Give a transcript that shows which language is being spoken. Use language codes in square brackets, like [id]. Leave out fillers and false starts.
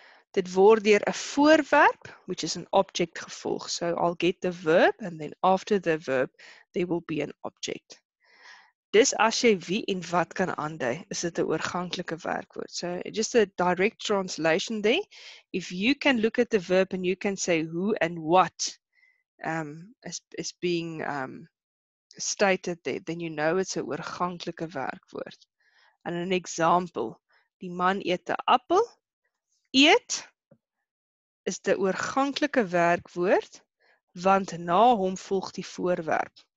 [af] Dit word deur 'n voorwerp, [en] which is an object, [af] gevolg. [en] So I'll get the verb and then after the verb there will be an object. [af] Dis as jy wie en wat kan aandui, is dit 'n oorganklike werkwoord. [en] So just a direct translation there. If you can look at the verb and you can say who and what is being stated there, then you know it's [af] 'n oorganklike werkwoord. [en] And an example, [af] die man eet 'n appel. Eet is 'n oorganklike werkwoord, want na hom volg die voorwerp.